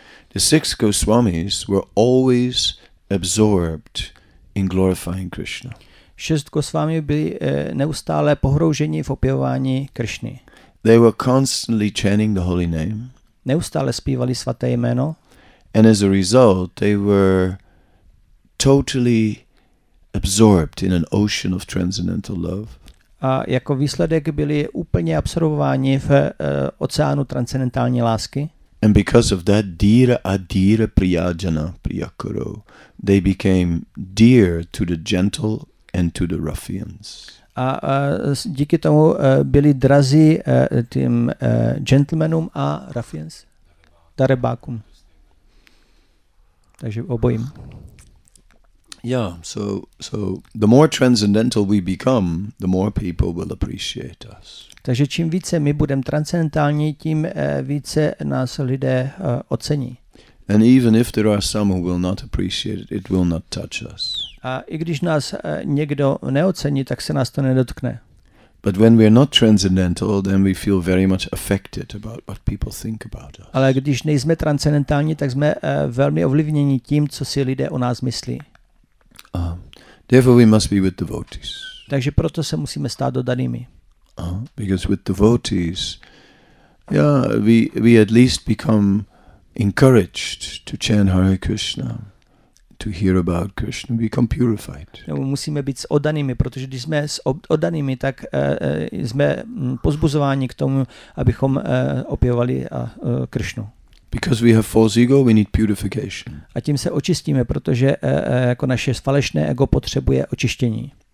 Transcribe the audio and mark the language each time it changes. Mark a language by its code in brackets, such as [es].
[en] The six Goswamis were always absorbed in glorifying Krishna. [cs] Šest Goswami byli neustále pohrouženi v opěvování Krishny. [en] They were constantly chanting the holy name. [cs] Neustále zpívali svaté jméno. [en] And as a result, they were totally absorbed in an ocean of transcendental love. [cs] A jako výsledek byli úplně absorbováni v oceánu transcendentální lásky. [en] And because of that, [sa] dira adira priyajana priyakuru, [en] they became dear to the gentle and to the ruffians. [cs] A díky tomu byli drazí tím gentlemanům a ruffians, darebákům. Takže obojím. [en] Yeah, so the more transcendental we become, the more people will appreciate us. [cs] Takže čím více my budeme transcendentální, tím více nás lidé ocení. [en] And even if there are some who will not appreciate it, it will not touch us. [cs] A i když nás někdo neocení, tak se nás to nedotkne. [en] But when we are not transcendental, then we feel very much affected about what people think about us. [cs] Ale když nejsme transcendentální, tak jsme velmi ovlivněni tím, co si lidé o nás myslí. [en] Therefore we must be with devotees. [cs] Takže proto se musíme stát dodanými. [en] Because with devotees, yeah, we at least become encouraged to chant Hare Krishna, to hear about Krishna, become purified. [cs] No, musíme být s oddanými, protože když jsme s oddanými, tak jsme pozbuzováni k tomu, abychom opěvali Krishnu. [en] Because we have false ego, we need purification. [cs] A tím se očistíme, protože jako naše falešné ego potřebuje očištění.